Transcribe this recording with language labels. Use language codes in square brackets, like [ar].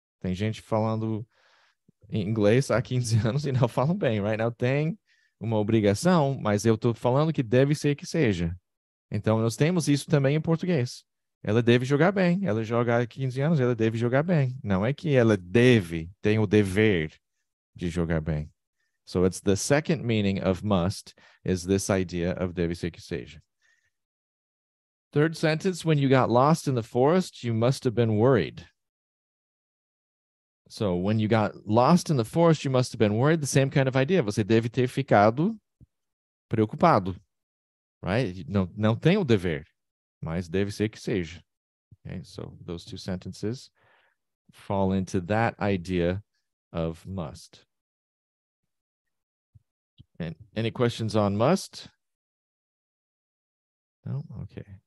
[pt] Tem gente falando inglês há 15 anos e não falam bem, right? Now tem uma obrigação, mas eu estou falando que deve ser que seja. Então, nós temos isso também em português. Ela deve jogar bem. Ela joga há 15 anos, ela deve jogar bem. Não é que ela deve, tem o dever de jogar bem. [en] So, it's the second meaning of must is this idea of [pt] deve ser que seja. [en] Third sentence, when you got lost in the forest, you must have been worried. So when you got lost in the forest, you must have been worried. The same kind of idea. [pt] Você deve ter ficado preocupado, [en] right? [pt] Não tem o dever, mas deve ser que seja. [en] Okay, so those two sentences fall into that idea of must. And any questions on must? No? Okay.